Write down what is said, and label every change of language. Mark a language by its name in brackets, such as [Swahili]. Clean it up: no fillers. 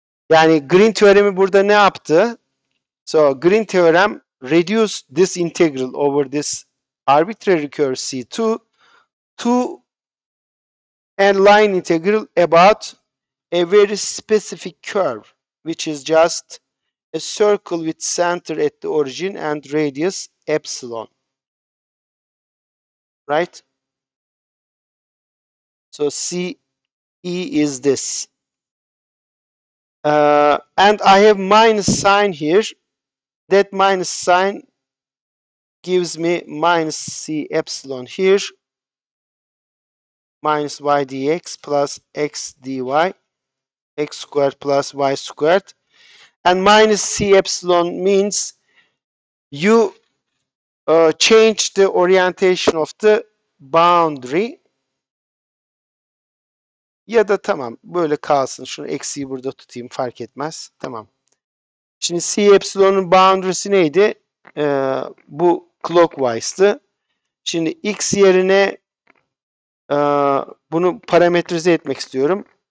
[Turkish] Yani Green teoremi burada ne yaptı? [English] So Green theorem reduce this integral over this arbitrary curve C2 to a line integral about a very specific curve, which is just a circle with center at the origin and radius epsilon. Right? So CE is this. And I have minus sign here. That minus sign gives me minus c epsilon here. Minus y dx plus x dy. X squared plus y squared. And minus c epsilon means you change the orientation of the boundary. [Turkish] Ya da tamam böyle kalsın. Şunu eksiği burada tutayım fark etmez. Tamam. Şimdi C epsilon'un boundary'si neydi? Bu clockwise'dı. Şimdi X yerine bunu parametrize etmek istiyorum.